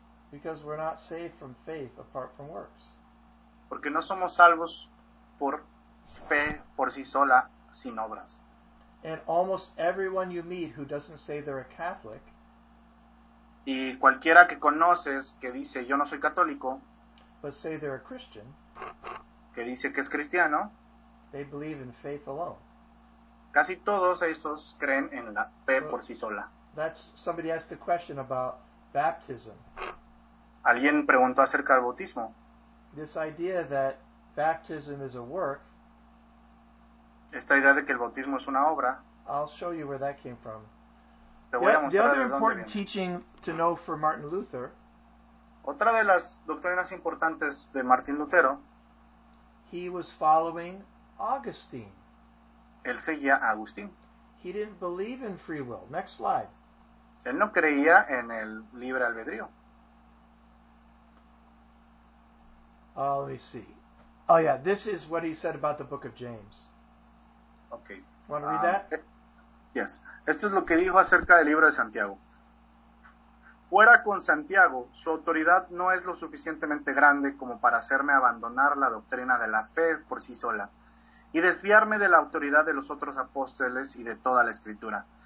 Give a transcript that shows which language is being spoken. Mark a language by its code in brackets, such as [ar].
[en] Because we're not saved from faith apart from works. [es] Porque no somos salvos por fe por sí sola, sin obras. [en] And almost everyone you meet who doesn't say they're a Catholic, [es] y cualquiera que conoces que dice yo no soy católico, [en] but say they're a Christian, [es] que dice que es cristiano, [en] they believe in faith alone. [es] Casi todos esos creen en la fe por sí sola. [en] That's somebody asked a question about baptism. [es] Alguien preguntó acerca del bautismo. [en] This idea that baptism is a work. [es] Esta idea de que el bautismo es una obra. [en] I'll show you where that came from. [es] Te voy a mostrar de dónde viene. [en] The other important teaching to know for Martin Luther. [es] Otra de las doctrinas importantes de Martín Lutero. [en] He was following Augustine. [es] Él seguía a Agustín. [en] He didn't believe in free will. Next slide. [es] Él no creía en el libre albedrío. [en] Oh, let me see. Oh, yeah, this is what he said about the book of James. Okay. Want to read that? Yes. [es] Esto es lo que dijo acerca del libro de Santiago. Fuera con Santiago, su autoridad no es lo suficientemente grande como para hacerme abandonar la doctrina de la fe por sí sola y desviarme de la autoridad de los otros apóstoles y de toda la escritura.